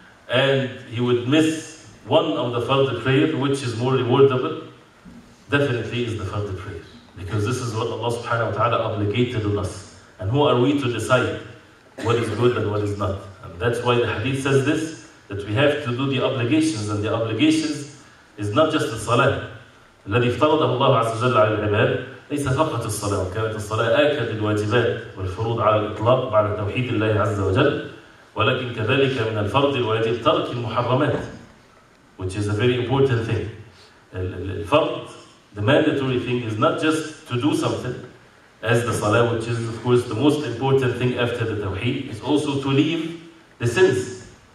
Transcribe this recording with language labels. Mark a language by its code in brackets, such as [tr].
[en] And he would miss one of the fard prayer, which is more rewardable, definitely is the fard prayer. Because this is what Allah subhanahu wa ta'ala obligated on us. And who are we to decide what is good and what is not? And that's why the hadith says this, that we have to do the obligations, and the obligations is not just the salah. [ar] الذي افترضه الله عز وجل على العباد ليس فقط الصلاة، كانت الصلاة أكد الواجبات والفروض على الإطلاق بعد توحيد الله عز وجل، ولكن كذلك من الفرض الواجب ترك المحرمات، [en] which is a very important thing. الفرض, the mandatory thing is not just to do something as the صلاة, which is of course the most important thing after the توحيد, is also to leave the sins.